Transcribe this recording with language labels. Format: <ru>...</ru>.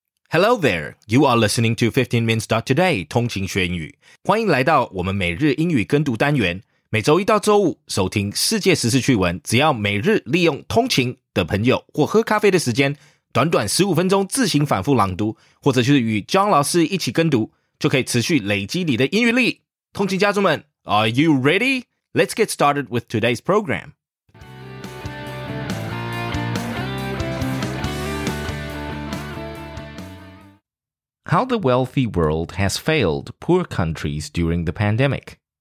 <en>Hello there, you are listening to 15minutes.today, 通勤学英语。</en> <zh>欢迎来到我们每日英语跟读单元，每周一到周五，收听世界时事趣闻，只要每日利用通勤的朋友或喝咖啡的时间，短短15分钟自行反复朗读，或者就是与 John 老师一起跟读，就可以持续累积你的英语力。通勤家族们</zh> <en>,Are you ready? Let's get started with today's program. How the wealthy world has failed poor countries during the pandemic.</en>